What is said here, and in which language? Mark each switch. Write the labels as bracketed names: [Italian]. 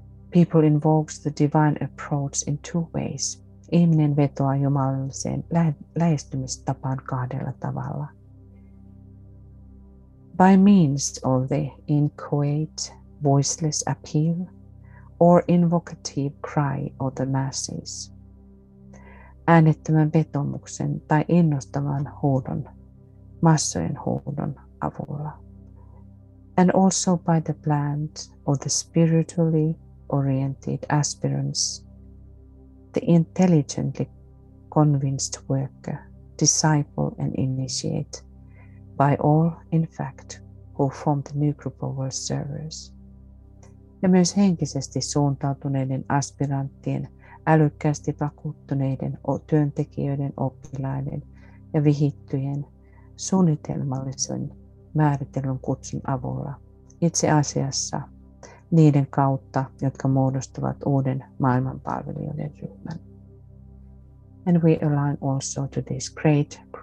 [English] People invokes the divine approach in two ways. [Finnish] Ihminen vetoaa jumalalliseen lähestymistapaan kahdella tavalla. [English] By means of the inchoate, voiceless appeal, or invocative cry of the masses. [Finnish] Äänettömän vetomuksen tai innostavan huudon, massojen huudon avulla. [English] And also by the plant of the spiritually oriented aspirants, the intelligently convinced worker, disciple and initiate, by all, in fact, who form the new group of world servers. [Finnish] Ja myös henkisesti suuntautuneiden aspiranttien, älykkäästi vakuuttuneiden työntekijöiden, oppilaiden ja vihittyjen suunnitelmallisen määritellyn kutsun avulla itse asiassa niiden kautta, jotka muodostavat uuden maailmanpalvelijoiden ryhmän. [English] And we align also to this great group.